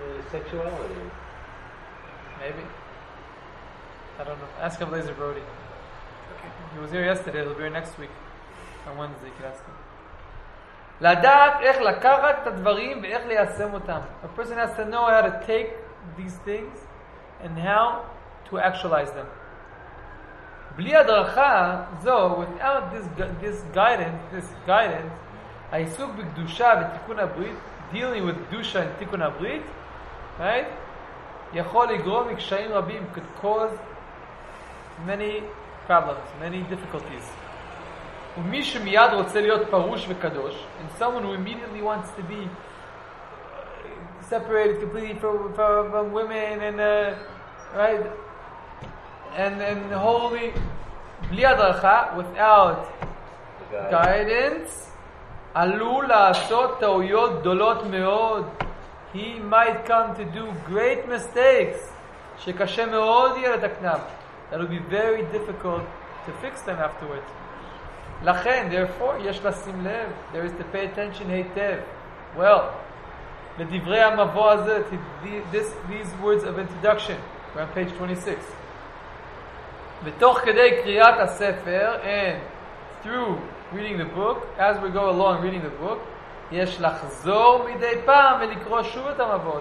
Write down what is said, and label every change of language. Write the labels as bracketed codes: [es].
[en] Sexuality. Maybe. I don't know. Ask a Blazer Brody. Okay. He was here yesterday. He'll be here next week. On Wednesday, you can ask him. [he] לדעת איך לקחת את הדברים ואיך ליישם אותם. [en] A person has to know how to take these things and how to actualize them. [he] בלי הדרכה זו, [en] without this guidance, [he] העיסוק בקדושה ותיקון הברית, [en] dealing with Dusha and Tikkun HaBrit, right? [he] יכול לגרום מקשיים רבים, [en] could cause many problems, many difficulties. [he] ומי שמיד רוצה להיות פרוש וקדוש, [en] and someone who immediately wants to be separated completely from women and, right? And holy, [he] בלי הדרכה, [en] without guidance, [he] עלול לעשות טעויות גדולות מאוד. [en] He might come to do great mistakes [he] שקשה מאוד יהיה לתקנם. [en] That will be very difficult to fix them afterwards. [he] לכן, [en] therefore, [he] יש לשים לב. [en] There is to pay attention היטב. Well, [he] לדברי המבוא הזה, [en] these words of introduction, we're on page 26. [he] ותוך כדי קריאת הספר, [en] and through reading the book, as we go along reading the book, [he] יש לחזור מדי פעם ולקרוא שוב את המבוא.